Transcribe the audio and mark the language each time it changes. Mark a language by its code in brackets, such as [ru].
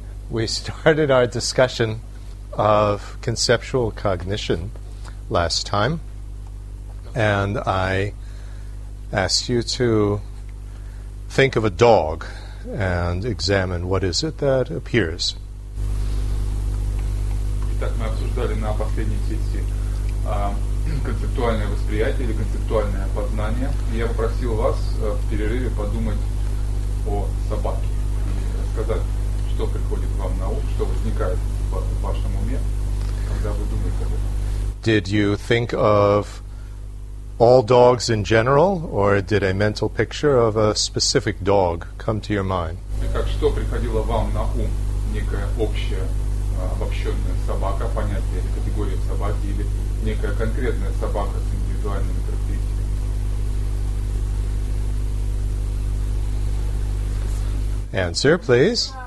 [en] We started our discussion of conceptual cognition last time, and I asked you to think of a dog and examine what is it that appears. [ru] Итак, мы обсуждали на последней сессии концептуальное восприятие или концептуальное познание. Я попросил вас в перерыве подумать о собаке и сказать, что приходит вам на ум, что возникает в вашем уме, когда вы думаете об этом. [en] Did you think of all dogs in general, or did a mental picture of a specific dog come to your mind? [ru] Итак, что приходило вам на ум, некое общее обобщенная собака, понятие или категория собаки, или некая конкретная собака с индивидуальными характеристиками. [en] Answer, please.